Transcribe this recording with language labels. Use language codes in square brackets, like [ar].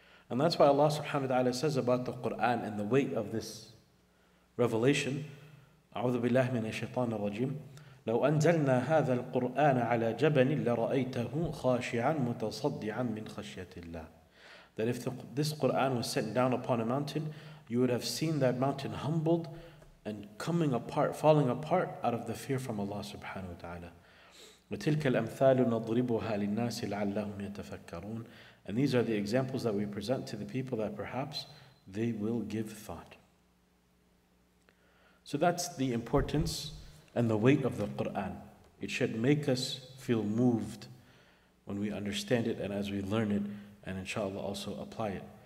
[en] And that's why Allah subhanahu wa ta'ala says about the Qur'an and the weight of this revelation, [ar] أعوذ بالله من الشيطان الرجيم لو أنزلنا هذا القرآن على جبل لرأيته خاشعا متصدعا من خشية الله. [en] That if this Quran was set down upon a mountain, you would have seen that mountain humbled and coming apart, falling apart out of the fear from Allah subhanahu wa ta'ala. [ar] وتلك الأمثال نضربها للناس لعلهم يتفكرون. [en] And these are the examples that we present to the people that perhaps they will give thought. So that's the importance and the weight of the Qur'an. It should make us feel moved when we understand it and as we learn it and inshallah also apply it.